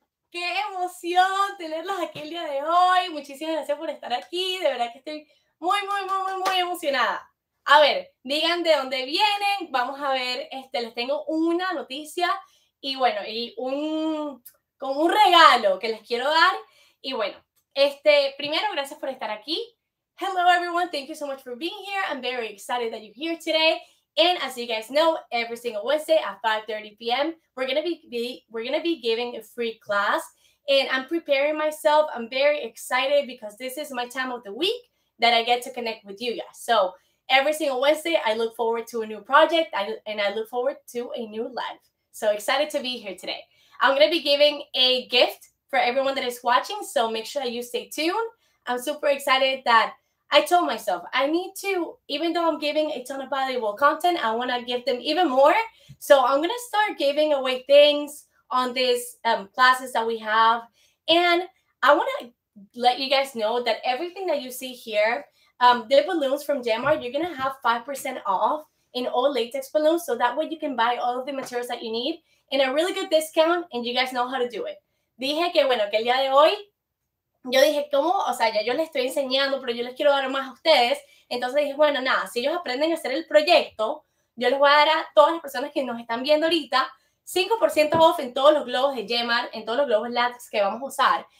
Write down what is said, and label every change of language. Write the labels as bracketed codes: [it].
[es] ¡Qué emoción tenerlos aquí el día de hoy! Muchísimas gracias por estar aquí. De verdad que estoy muy, muy, muy, muy, muy emocionada. A ver, digan de dónde vienen. Vamos a ver, les tengo una noticia y bueno, y un regalo que les quiero dar. Y bueno, primero, gracias por estar aquí. [en] Hello everyone, thank you so much for being here. I'm very excited that you're here today. And as you guys know, every single Wednesday at 5:30 p.m., we're gonna be giving a free class. And I'm preparing myself. I'm very excited because this is my time of the week that I get to connect with you guys. So every single Wednesday, I look forward to a new project and I look forward to a new life. So excited to be here today. I'm gonna be giving a gift for everyone that is watching. So make sure that you stay tuned. I'm super excited that I told myself I need to, even though I'm giving a ton of valuable content, I want to give them even more. So I'm going to start giving away things on these classes that we have. And I want to let you guys know that everything that you see here, the balloons from Gemart, you're going to have 5% off in all latex balloons. So that way you can buy all of the materials that you need in a really good discount. And you guys know how to do it. [es] Dije que bueno, que el día de hoy, yo dije, ¿cómo? O sea, ya yo les estoy enseñando, pero yo les quiero dar más a ustedes. Entonces dije, bueno, nada, si ellos aprenden a hacer el proyecto, yo les voy a dar a todas las personas que nos están viendo ahorita 5% off en todos los globos de Gemart, en todos los globos látex que vamos a usar.